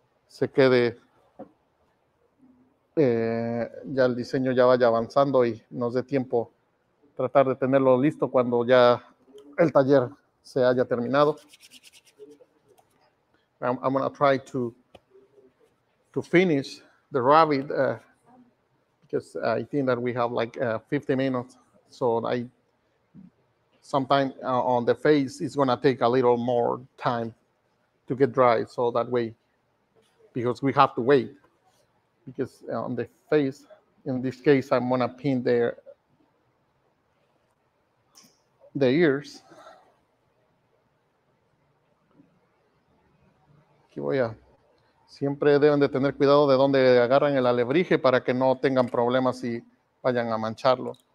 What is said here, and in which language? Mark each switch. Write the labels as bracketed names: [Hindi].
[Spanish] se quede, ya el diseño ya vaya avanzando y nos dé tiempo tratar de tenerlo listo cuando ya el taller se haya terminado. [English] I'm going to try to finish the rabbit because I think that we have like 50 minutes. So I sometime on the face is going to take a little more time to get dry. So that way, because we have to wait, because on the face, in this case, I'm going to pin the ears. [Spanish] Aquí voy a, siempre deben de tener cuidado de dónde agarran el alebrije para que no tengan problemas y vayan a mancharlo.